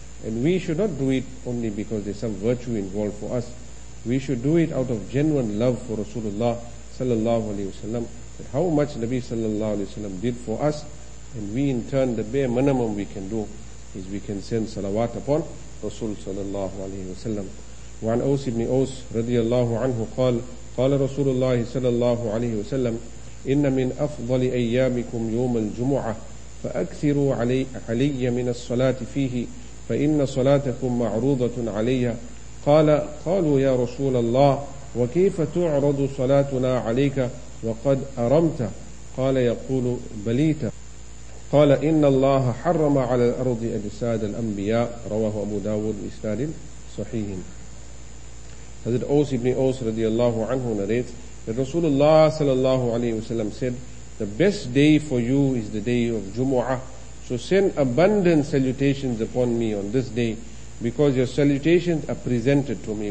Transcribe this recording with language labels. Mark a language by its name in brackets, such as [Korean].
[English] And we should not do it only because there's some virtue involved for us. We should do it out of genuine love for Rasulullah sallallahu alayhi wa sallam. How much Nabi sallallahu alayhi wa sallam did for us, and we in turn, the bare minimum we can do is we can send salawat upon رسول صلى الله عليه وسلم. [Arabic] وعن أوس بن أوس رضي الله عنه قال قال رسول الله صلى الله عليه وسلم إن من أفضل أيامكم يوم الجمعة فأكثروا علي من الصلاة فيه فإن صلاتكم معروضة علي. قالوا يا رسول الله وكيف تعرض صلاتنا عليك وقد أرمت؟ قال يقول بليت. قال إن الله حرم على الأرض أجساد الأنبياء. رواه أبو داود بإسناد صحيح. [English] حضرت أوس بن أوس رضي الله عنه narrates that Rasulullah صلى الله عليه وسلم said, the best day for you is the day of Jumu'ah. So send abundant salutations upon me on this day, because your salutations are presented to me.